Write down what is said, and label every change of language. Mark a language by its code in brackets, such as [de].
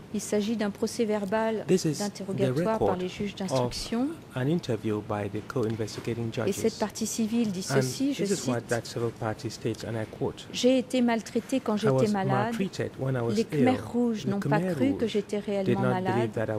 [fr] Il s'agit d'un procès-verbal d'interrogatoire par les juges d'instruction. [en] An interview by the co-investigating judges. [fr] Et cette partie civile dit ceci, [en] and [fr] je cite, [en] this is what that civil party states, and I quote, [fr] j'ai été maltraité quand j'étais malade. Les Khmer Rouges n'ont pas cru que j'étais réellement malade.